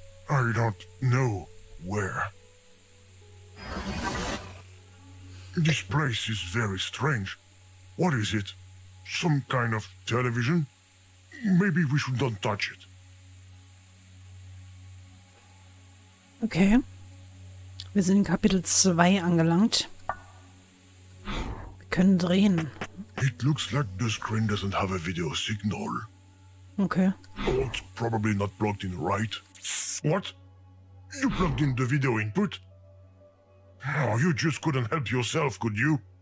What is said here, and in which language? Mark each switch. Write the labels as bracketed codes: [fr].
[en] I don't know where. This place is very strange. What is it? Some kind of television? Maybe we should not touch it. Okay. [de] Wir sind in Kapitel 2 angelangt. Wir können drehen. [en] It looks like the screen doesn't have a video signal. Okay. Oh, it's probably not plugged in right. What? You plugged in the video input? Oh, you just couldn't help yourself, could you?